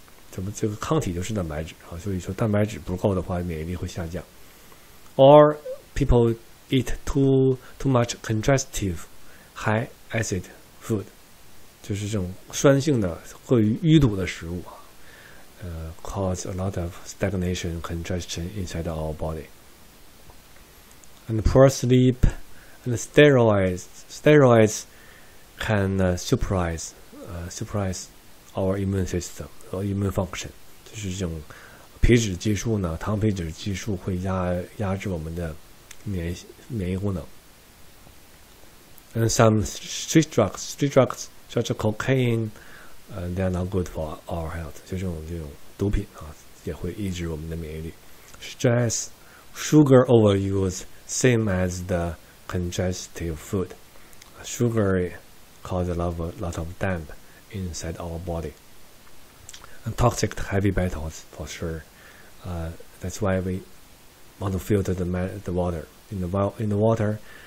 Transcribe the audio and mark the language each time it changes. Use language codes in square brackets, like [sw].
[zh] 怎么这个抗体就是蛋白质啊所以说蛋白质不够的话免疫力会下降。 [en] Or people eat too much contrastive high acid food, [zh] 就是这种酸性的过于淤堵的食物 [en] cause a lot of stagnation congestion inside our body. And poor sleep and steroids can suppress our immune system or immune function, [zh] 就是这种皮质激素呢，糖皮质激素会压制我们的免疫功能。 [en] And some street drugs such as cocaine, they are not good for our health. [zh] 就这种毒品啊，也会抑制我们的免疫力。 [en] Stress, sugar overuse, same as the congestive food. Sugar causes a lot of damp inside our body. And toxic heavy metals for sure. That's why we want to filter the water in the water.